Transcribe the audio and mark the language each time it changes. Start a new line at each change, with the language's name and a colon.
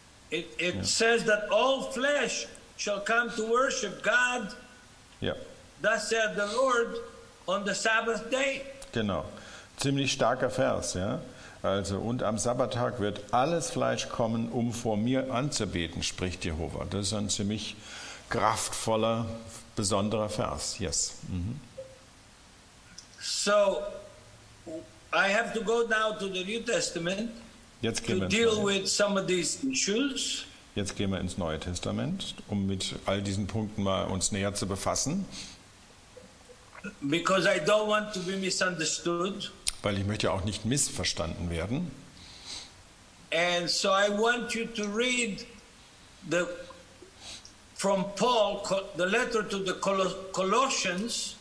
English: It says that all flesh shall come to worship God. Yeah. Thus said the Lord on the Sabbath day.
German: Genau. Ziemlich starker Vers, ja. Also, und am Sabbattag wird alles Fleisch kommen, um vor mir anzubeten, spricht Jehova. Das ist ein ziemlich kraftvoller, besonderer Vers. Yes. Mhm.
English: So, I have to go now to the New Testament.
German: Jetzt gehen
English: to
German: wir
English: deal with some of these issues.
German: Jetzt gehen wir ins Neue Testament, um mit all diesen Punkten mal uns näher zu befassen.
English: Because I don't want to be misunderstood.
German: Weil ich möchte ja auch nicht missverstanden werden.
English: And so I want you to read the from Paul the letter to the Colossians.